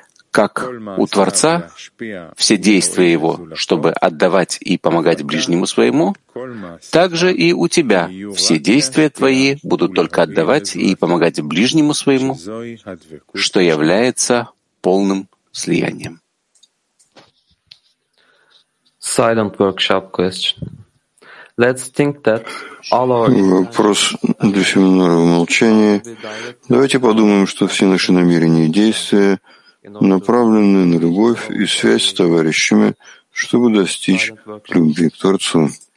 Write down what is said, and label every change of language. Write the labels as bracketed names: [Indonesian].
[Russian] как у Творца все действия Его, чтобы отдавать и помогать ближнему своему, так же и у тебя все действия твои будут только отдавать и помогать ближнему своему, что является полным слиянием. [English] Silent workshop question. Let's think that all our... [Russian] Вопрос для семинара в молчании. Давайте подумаем, что все наши намерения и действия направлены на любовь и связь с товарищами, чтобы достичь любви к Творцу.